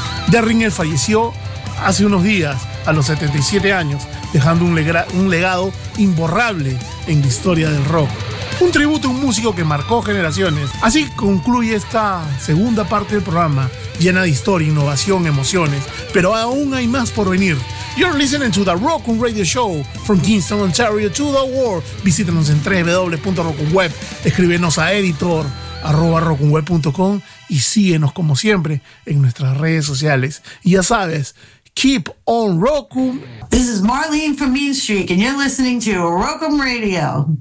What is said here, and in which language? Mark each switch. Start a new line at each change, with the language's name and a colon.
Spanish: Derringer falleció hace unos días, a los 77 años, dejando un legado imborrable en la historia del rock. Un tributo a un músico que marcó generaciones. Así concluye esta segunda parte del programa, llena de historia, innovación, emociones. Pero aún hay más por venir.
English: You're listening to the Rockum Radio Show from Kingston, Ontario to the world.
Spanish: Visítanos en www.rockumweb. Escríbenos a editor@rockumweb.com y síguenos como siempre en nuestras redes sociales. Y ya sabes,
English: keep on
Spanish: Rockum.
English: This is Marlene from Mean Streak and you're listening to Rockum Radio.